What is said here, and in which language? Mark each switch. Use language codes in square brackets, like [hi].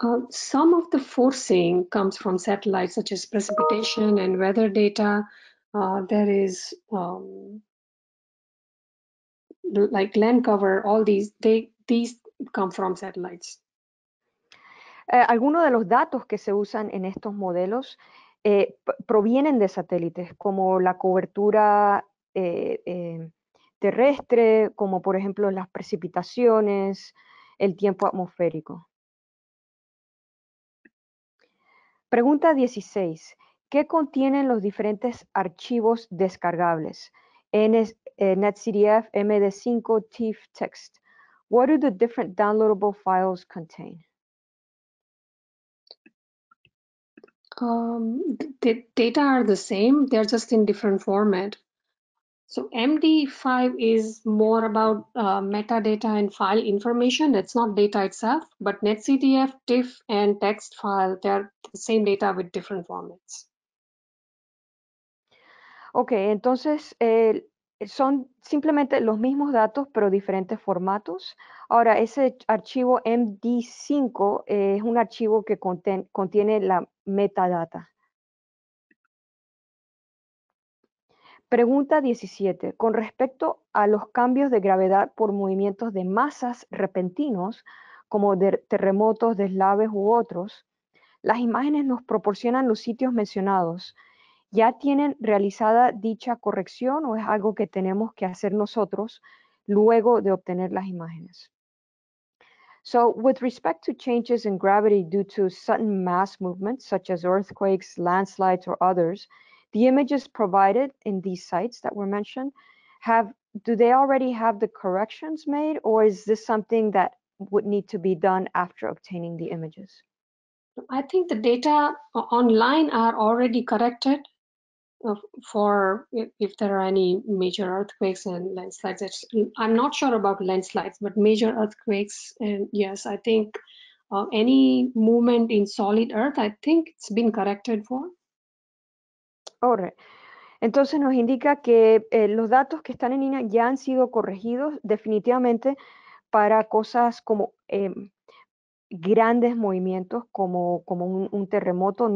[en] Some of the forcing comes from satellites, such as precipitation and weather data. There is like land cover, all these come from satellites. [es] Algunos de los datos que se usan en estos modelos provienen de satélites, como la cobertura terrestre, como por ejemplo las precipitaciones, el tiempo atmosférico. Pregunta 16. ¿Qué contienen los diferentes archivos descargables? NetCDF, MD5, TIFF, Text. [en] What do the different downloadable files contain? The data are the same, they're just in different format. So MD5 is more about metadata and file information. It's not data itself, but NetCDF, TIFF, and text file, they're the same data with different formats. [es] Okay, entonces son simplemente los mismos datos, pero diferentes formatos. Ahora, ese archivo MD5 es un archivo que contiene la metadata. Pregunta 17. Con respecto a los cambios de gravedad por movimientos de masas repentinos, como de terremotos, deslaves u otros, las imágenes nos proporcionan los sitios mencionados. ¿Ya tienen realizada dicha corrección o es algo que tenemos que hacer nosotros luego de obtener las imágenes? [en] So, with respect to changes in gravity due to sudden mass movements, such as earthquakes, landslides, or others, the images provided in these sites that were mentioned, have Do they already have the corrections made, or is this something that would need to be done after obtaining the images? I think the data online are already corrected for if there are any major earthquakes and landslides. I'm not sure about landslides, but major earthquakes, and yes, I think any movement in solid earth, I think it's been corrected for. All right. [es] Entonces nos indica que los datos que están en INAH ya han sido corregidos definitivamente para cosas como grandes movimientos, como un terremoto.